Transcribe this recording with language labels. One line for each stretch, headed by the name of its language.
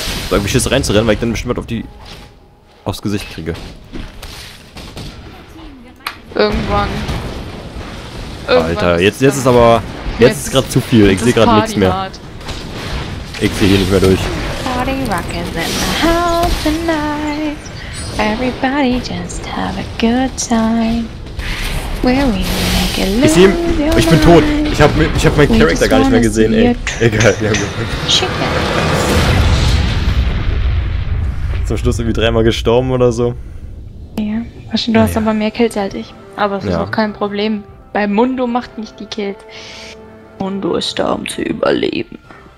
German: Irgendwie Schiss reinzurennen, weil ich dann bestimmt auf die aufs Gesicht kriege. Irgendwann. Alter, jetzt ist aber jetzt ist gerade zu viel. Ich sehe gerade nichts mehr. Ich sehe hier nicht mehr durch.
English: Party rockin' in the house tonight. Everybody just have a good time. Where we make a little mind.
German: Ich bin tot. Ich hab meinen Charakter gar nicht mehr gesehen, ey. Egal, ja gut. Zum Schluss irgendwie dreimal gestorben oder so. Ja, wahrscheinlich, du hast aber mehr Kills als ich. Aber es ist auch kein Problem. Bei Mundo macht nicht die Kills. Mundo ist da, um zu überleben.